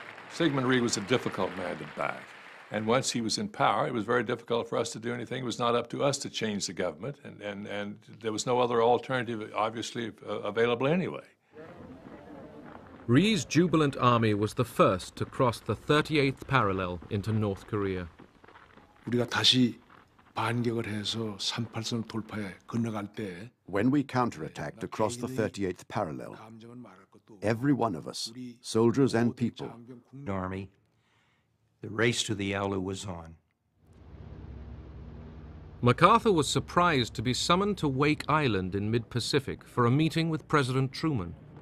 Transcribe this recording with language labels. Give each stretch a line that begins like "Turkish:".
English: Syngman Rhee was a difficult man to back. And once he was in power, it was very difficult for us to do anything. It was not up to us to change the government. And there was no other alternative, obviously, available anyway. Rhee's jubilant army was the first to cross the 38th parallel into North Korea.
Korean: 우리가 다시 반격을 해서 38선 돌파해 건너갈 때,
English: when we counterattacked across the 38th parallel, every one of us, soldiers and people, army, the race to the Yalu was on. MacArthur was surprised to be summoned to Wake Island in mid-Pacific for a meeting with President Truman.